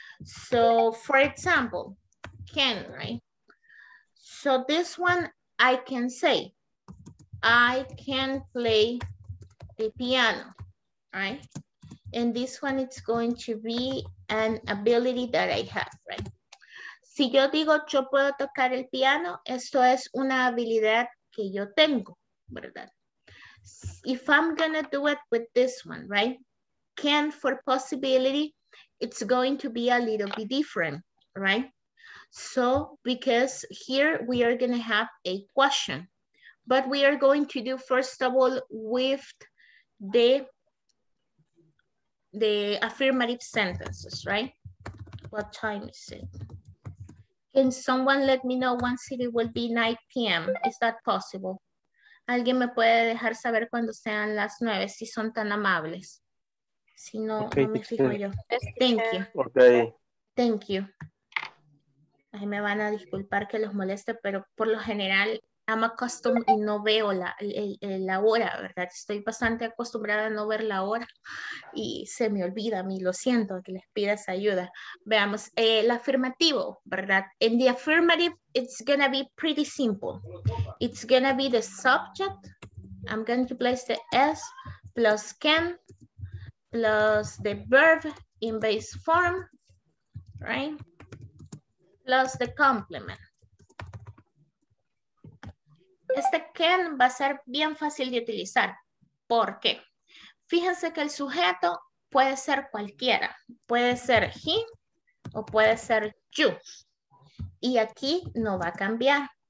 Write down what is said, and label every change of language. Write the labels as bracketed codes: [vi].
[en] So for example, can, right? So this one, I can say, I can play the piano, right? And this one, it's going to be an ability that I have, right? [es] Si yo digo, yo puedo tocar el piano, esto es una habilidad que yo tengo, ¿verdad? [en] If I'm gonna do it with this one, right? Can for possibility, it's going to be a little bit different, right? So, because here we are gonna have a question, but we are going to do first of all with the affirmative sentences, right? What time is it? Can someone let me know once it will be 9 p.m.? Is that possible? [es] ¿Alguien me puede dejar saber cuando sean las 9, si son tan amables? Si no, okay, no me fijo yo. [en] Thank you. Okay. Thank you. [es] Ahí me van a disculpar que los moleste, pero por lo general [en] I'm accustomed [es] y no veo la hora, ¿verdad? Estoy bastante acostumbrada a no ver la hora y se me olvida a mí, lo siento, que les pidas ayuda. Veamos, el afirmativo, ¿verdad? [en] In the affirmative, it's gonna be pretty simple. It's gonna be the subject. I'm going to place the S plus can plus the verb in base form, right? Plus the complement. [es] Este can va a ser bien fácil de utilizar. ¿Por qué? Fíjense que el sujeto puede ser cualquiera. Puede ser he o puede ser you. Y aquí no va a cambiar.